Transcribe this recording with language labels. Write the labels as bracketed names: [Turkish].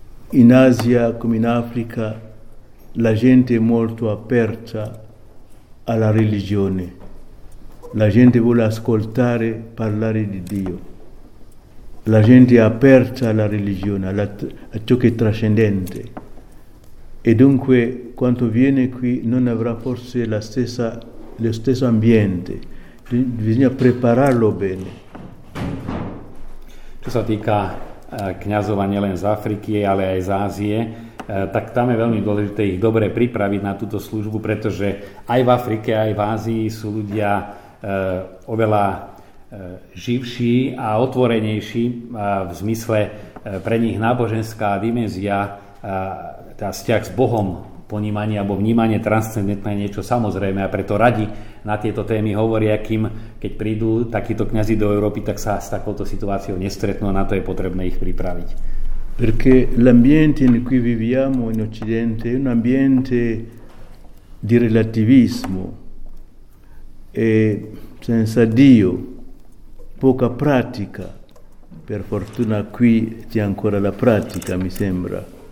[Italian] in Asia come in Africa la gente è molto aperta alla religione, la gente vuole ascoltare parlare di Dio, la gente è aperta alla religione, a ciò che è trascendente, e dunque quando viene qui non avrà forse lo stesso ambiente, bisogna prepararlo bene. [Slovak] Čo sa týka kňazov nielen z Afriky, ale aj z Ázie, tak tam je veľmi dôležité ich dobre pripraviť na túto službu, pretože aj v Afrike, aj v Ázii sú ľudia oveľa živší a otvorenejší v zmysle pre nich náboženská dimenzia, tá vzťah s Bohom, ponímanie alebo vnímanie transcendentné niečo samozrejme, a preto radi na tieto témy hovoria, kým keď prídu takíto kňazi do Európy, tak sa s takouto situáciou nestretnú a na to je potrebné ich pripraviť. [Italian] Perché l'ambiente in cui viviamo in Occidente è un ambiente di relativismo e senza Dio, poca pratica, per fortuna qui c'è ancora la pratica, mi sembra.